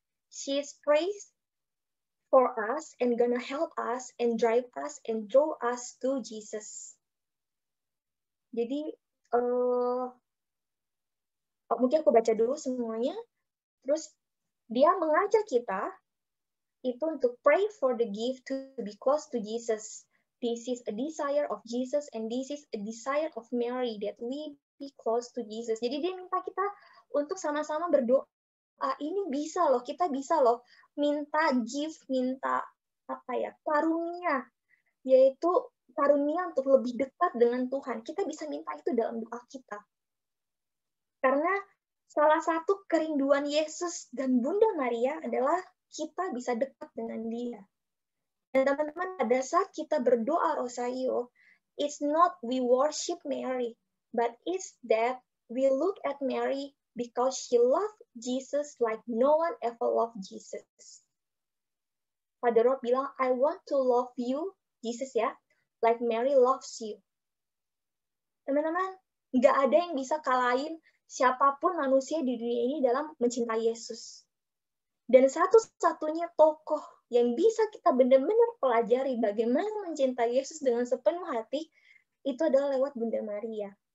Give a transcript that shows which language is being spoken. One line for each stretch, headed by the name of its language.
English: She is prays for us and gonna help us and drive us and draw us to Jesus.
Indonesian: Jadi, mungkin aku baca dulu semuanya. Terus, dia mengajak kita itu untuk
English: pray for the gift to be close to Jesus. This is a desire of Jesus and this is a desire of Mary that we be close to Jesus.
Indonesian: Jadi, dia minta kita untuk sama-sama berdoa. Ini bisa loh, kita bisa loh minta gift, minta apa ya, karunia. Yaitu, karunia untuk lebih dekat dengan Tuhan. Kita bisa minta itu dalam doa kita. Karena salah satu kerinduan Yesus dan Bunda Maria adalah kita bisa dekat dengan Dia. Dan teman-teman, pada saat kita berdoa Rosario,
English: it's not we worship Mary, but it's that we look at Mary because she loved Jesus like no one ever loved Jesus. Father Rob
Indonesian: bilang,
English: I want to love you, Jesus ya, like Mary loves you.
Indonesian: Teman-teman, gak ada yang bisa kalahin siapapun manusia di dunia ini dalam mencintai Yesus. Dan satu-satunya tokoh yang bisa kita benar-benar pelajari bagaimana mencintai Yesus dengan sepenuh hati, itu adalah lewat Bunda Maria.